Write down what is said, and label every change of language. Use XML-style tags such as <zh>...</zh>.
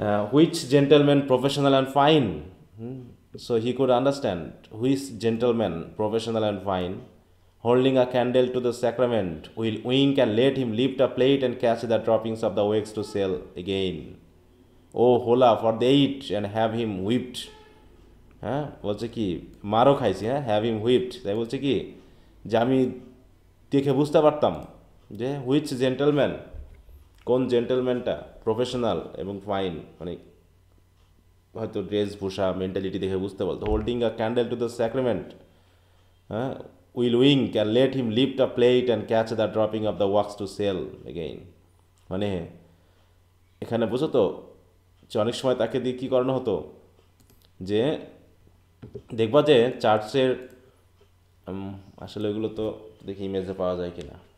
<en>Which gentleman professional and fine? So he could understand which gentleman professional and fine, holding a candle to the sacrament, will wink and let him lift a plate and catch the droppings of the wax to sell again. Oh, hola, for they eat and have him whipped.</en> <bn>হ্যাঁ, বলছে কি মারও খাইছি, হ্যাঁ,</bn> <en>Have him whipped.</en> <bn>তাই বলছে কি যে আমি দেখে বুঝতে পারতাম যে</bn> <en>which gentleman,</en> <bn>কোন জেন্টেলম্যানটা প্রফেশনাল এবং ফাইন, মানে হয়তো ড্রেস ভূষা মেন্টালিটি দেখে বুঝতে পারতো.</bn> <en>holding a candle to the sacrament,</en> <bn>হ্যাঁ,</bn> <en>will wink and let him lift a plate and catch the dropping of the wax to sell again.</en> <bn>মানে এখানে বুঝো তো, যে অনেক সময় তাকে দিয়ে কি করানো হতো, যে দেখবা যে চার্চের, আসলে ওইগুলো তো দেখি ইমেজে পাওয়া যায় কিনা,</bn>